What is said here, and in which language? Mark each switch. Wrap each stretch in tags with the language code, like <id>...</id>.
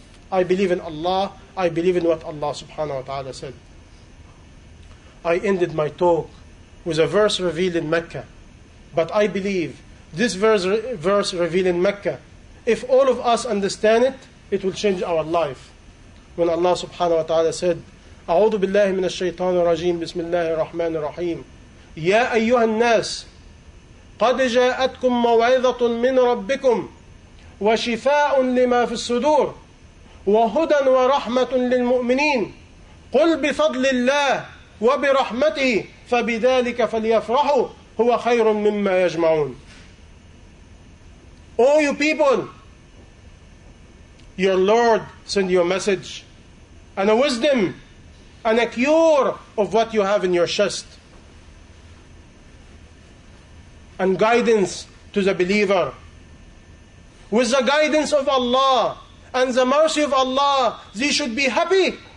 <en>I believe in Allah. I believe in what Allah subhanahu wa ta'ala said. I ended my talk with a verse revealed in Mecca. But I believe this verse revealed in Mecca, if all of us understand it, it will change our life. When Allah subhanahu wa ta'ala said,</en> <ar>أعوذ بالله من الشيطان الرجيم بسم الله الرحمن الرحيم يا أيها الناس قد جاءتكم موعظة من ربكم وشفاء لما في الصدور وهدى ورحمة للمؤمنين قل بفضل الله وبرحمته فبذلك فليفرحوا هو خير مما يجمعون.</ar> <en>Oh you people, your Lord send you a message and a wisdom and a cure of what you have in your chest. And guidance to the believer. With the guidance of Allah and the mercy of Allah, they should be happy.</en>